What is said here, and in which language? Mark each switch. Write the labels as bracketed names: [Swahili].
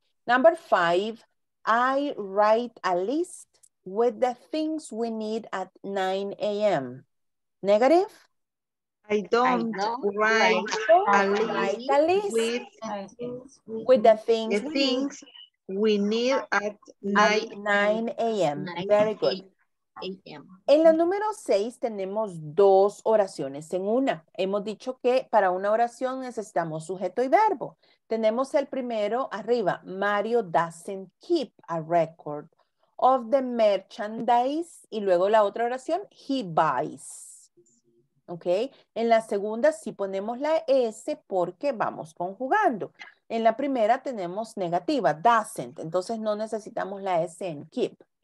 [English] Number five, I write a list with the things we need at 9 a.m. Negative? I don't write a list with the things we need at 9 a.m. Very good. A.m. [Spanish] En la número 6 tenemos dos oraciones en una. Hemos dicho que para una oración necesitamos sujeto y verbo. Tenemos el primero arriba. [English] Mario doesn't keep a record of the merchandise. [Spanish] Y luego la otra oración, [English] he buys. [Spanish] ¿Ok? En la segunda sí ponemos la S porque vamos conjugando. En la primera tenemos negativa, doesn't, entonces no necesitamos la S en keep.